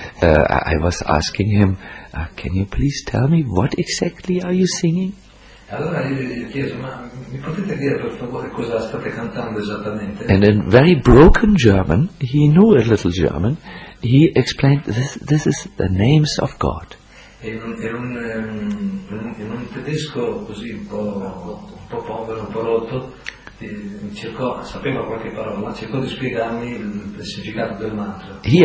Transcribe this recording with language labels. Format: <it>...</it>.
<en>I was asking him, can you please tell me what exactly are you singing?</en> <it>Allora io gli ho chiesto, ma mi potete dire per favore cosa state cantando esattamente?</it> <en>And in very broken German, he knew a little German, he explained, this is the names of God.</en> <it>In un tedesco così un po' povero, un po' rotto, cercò, sapeva qualche parola, cercò di spiegarmi il significato del mantra.</it>